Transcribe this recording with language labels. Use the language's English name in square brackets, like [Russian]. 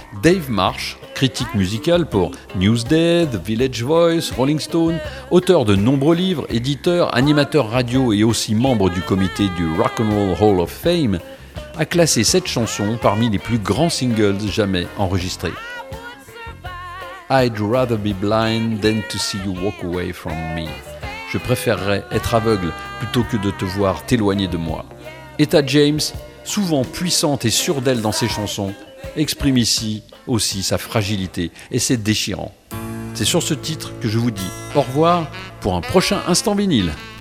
[French] Dave Marsh, critique musical pour Newsday, The Village Voice, Rolling Stone, auteur de nombreux livres, éditeur, animateur radio et aussi membre du comité du Rock and Roll Hall of Fame, a classé cette chanson parmi les plus grands singles jamais enregistrés. [English] I'd rather be blind than to see you walk away from me. [French] Je préférerais être aveugle plutôt que de te voir t'éloigner de moi. Etta James, souvent puissante et sûre d'elle dans ses chansons, exprime ici aussi sa fragilité et ses déchirants. C'est sur ce titre que je vous dis au revoir pour un prochain Instant Vinyle.